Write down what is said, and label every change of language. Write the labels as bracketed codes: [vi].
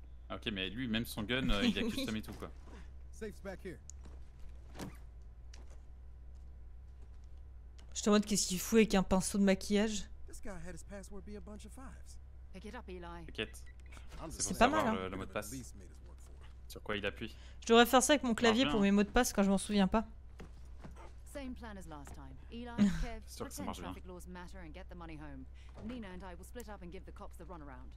[fr] Ok, mais lui, même son gun, il a custom et tout quoi. [en] Safe's back here. [fr] Je te demande qu'est-ce qu'il fout avec un pinceau de maquillage. [en] This guy had his password be a bunch of fives. Pick it up, Eli. [fr] T'inquiète. C'est pas mal, hein. Le mot de passe. Sur quoi il appuie. Je devrais faire ça avec mon clavier pour mes mots de passe quand je m'en souviens pas. [en] Same plan as last time. Eli, Kev, pretend traffic laws matter and get the money home. Nina and I will split up and give the cops the runaround.